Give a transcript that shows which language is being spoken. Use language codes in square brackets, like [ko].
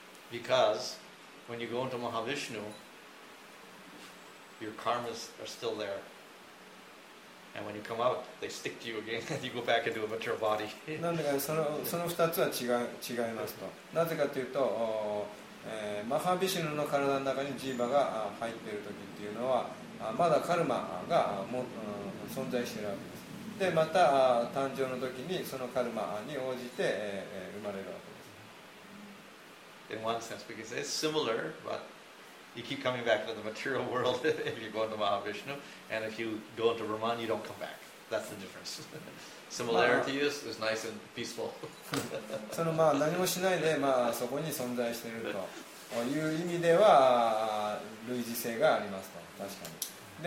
[en] Because when you go into Mahavishnu, your karmas are still there. And when you come out, they stick to you again and you go back into a material body. [ja] なんでかその2つは違いますと。なぜかというと、マハビシュヌの体の中にジーバが入っている時っていうのはまだカルマが存在しているわけです。でまた誕生の時にそのカルマに応じて生まれるわけです。 [en] in one sense, because it's similar, but you keep coming back to the material world if you go into Mahavishnu, and if you go into Brahman, you don't come back. That's the difference. Similarity is nice and peaceful. [ja] そのまあ何もしないでまあそこに存在しているという意味では類似性がありますと確かに。